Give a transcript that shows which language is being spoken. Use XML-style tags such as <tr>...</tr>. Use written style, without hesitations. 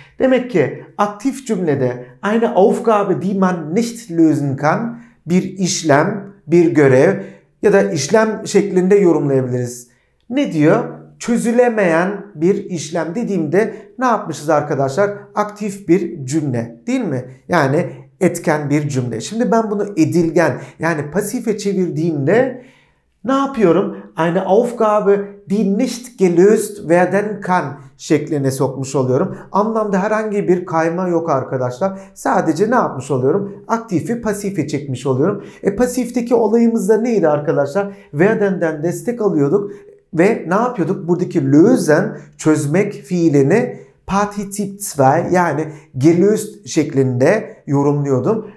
<tr>Demek ki aktif cümlede</tr> <de>eine Aufgabe, die man nicht lösen kann,</de> <tr>bir işlem, bir görev ya da işlem şeklinde yorumlayabiliriz. Ne diyor? Çözülemeyen bir işlem dediğimde ne yapmışız arkadaşlar? Aktif bir cümle değil mi? Yani etken bir cümle. Şimdi ben bunu edilgen, yani pasife çevirdiğimde ne yapıyorum?</tr> <de>Eine Aufgabe, die nicht gelöst werden kann</de> <tr>şekline sokmuş oluyorum. Anlamda herhangi bir kayma yok arkadaşlar. Sadece ne yapmış oluyorum? Aktifi pasife çekmiş oluyorum. Pasifteki olayımız da neydi arkadaşlar? Werden'den destek alıyorduk ve ne yapıyorduk? Buradaki lösen, çözmek fiilini Partizip 2, yani gelöst şeklinde yorumluyordum.</tr>